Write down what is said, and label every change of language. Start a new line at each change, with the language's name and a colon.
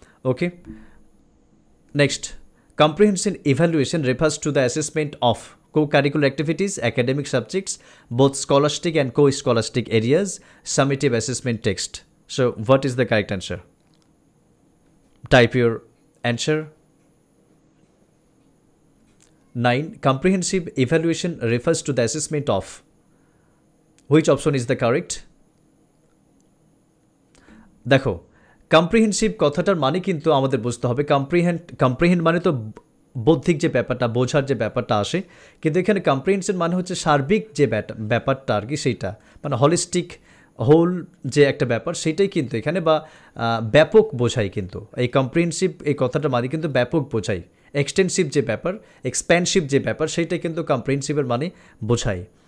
English: Okay next, comprehension evaluation refers to the assessment of co curricular activities, academic subjects, both scholastic and co scholastic areas, summative assessment text. So what is the correct answer, type your answer. 9. Comprehensive evaluation refers to the assessment of, which option is the correct?
Bangla: দেখো comprehensive কথাটার মানে কিন্তু আমাদের বুঝতে হবে, comprehend মানে তো বৌদ্ধিক যে ব্যাপারটা, বোঝার যে ব্যাপারটা আসে, কিন্তু এখানে কম্প্রিহেনশন মানে হচ্ছে সার্বিক যে ব্যাপারটা আর কি, সেইটা মানে হলিস্টিক হোল যে একটা ব্যাপার সেটাই কিন্তু এখানে, বা ব্যাপক বোঝাই কিন্তু এই কম্প্রিহেনসিভ এই কথাটার মানে কিন্তু ব্যাপক বোঝাই, এক্সটেন্সিভ যে ব্যাপার, এক্সপ্যান্সিভ যে ব্যাপার সেইটাই কিন্তু কম্প্রিহেনসিভের মানে বোঝাই।